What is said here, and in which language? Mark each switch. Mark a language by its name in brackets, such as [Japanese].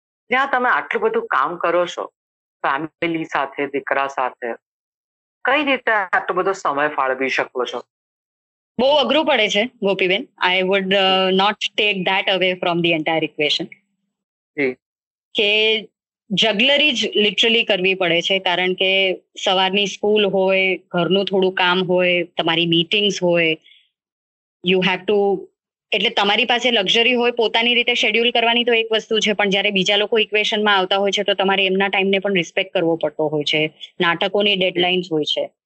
[Gujarati] જ્યાં તમે આટલું બધું કામ કરો છો ફેમિલી સાથે, દીકરા સાથે, કઈ રીતે આટલો બધો સમય ફાળવી શકો છો? બહુ અઘરું પડે છે Gopiben. [English] I would not take that away from the entire equation. [Gujarati] કે જગલરી જ લિટરલી કરવી પડે છે, કારણ કે સવારની સ્કૂલ હોય, ઘરનું થોડું કામ હોય, તમારી મીટિંગ્સ હોય, [English] you have to, [Gujarati] એટલે તમારી પાસે લક્ઝરી હોય પોતાની રીતે શેડ્યુલ કરવાની તો એક વસ્તુ છે, પણ જ્યારે બીજા લોકો ઇક્વેશનમાં આવતા હોય છે તો તમારે એમના ટાઈમને પણ રિસ્પેક્ટ કરવો પડતો હોય છે, નાટકોની ડેડલાઇન્સ હોય છે.